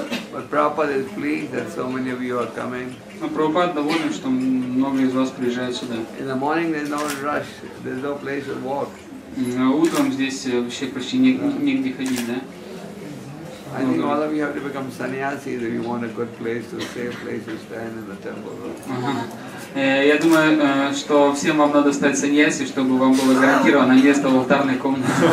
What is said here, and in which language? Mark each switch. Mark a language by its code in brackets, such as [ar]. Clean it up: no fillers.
[en] But Prabhupada is pleased that so many of you are coming. [ru] Но Прабхупад доволен, что много из вас приезжают сюда. [en] In the morning there is no rush. There is no place to walk. [ru] Утром здесь вообще почти негде ходить, да? [en] I think all of you have to become sannyasis if you want a good place, a safe place to stand in the temple. [ru] Я думаю, что всем вам надо стать саньяси, чтобы вам было гарантировано место в алтарной комнате.